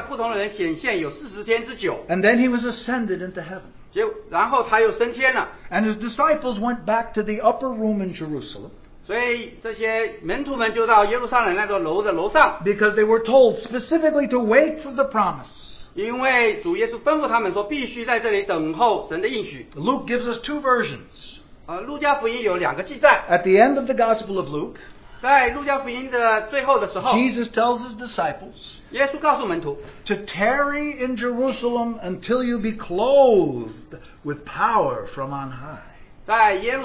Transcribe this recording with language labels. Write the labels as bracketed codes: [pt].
[zh] 所以他就像在不同的地方向不同的人显现有40天之久。 [en] And then he was ascended into heaven. [zh] 然后他又升天了。 [en] And his disciples went back to the upper room in Jerusalem. [zh] 所以这些门徒们就到耶路撒冷那座楼的楼上。 [en] Because they were told specifically to wait for the promise. [zh] 因为主耶稣吩咐他们说必须在这里等候神的应许。 [en] Luke gives us two versions. [zh] 路加福音有两个记载。 [en] At the end of the Gospel of Luke, Jesus tells his disciples [zh] 耶稣告诉门徒, [en] to tarry in Jerusalem until you be clothed with power from on high.